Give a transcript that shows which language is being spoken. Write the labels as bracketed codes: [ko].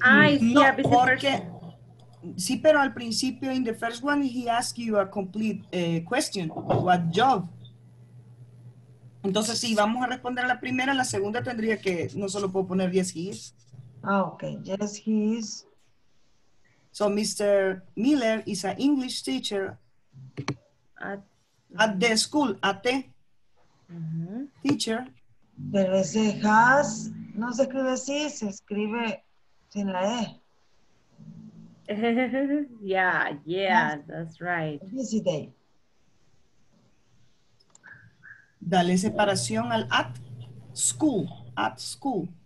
[en] he is. [es] No, porque... Sí, pero al principio, [en] in the first one, he asked you a complete question. What job? [es] Entonces, si vamos a responder a la primera, la segunda tendría que, no solo puedo poner [en] yes, he is. Ah, okay. Yes, he is. So, Mr. Miller is an English teacher at the school, at the teacher. [es] Pero ese has, no se escribe así, se escribe sin la E. [en] Yeah, that's right. [es] Dale separación al [en] at school. At school.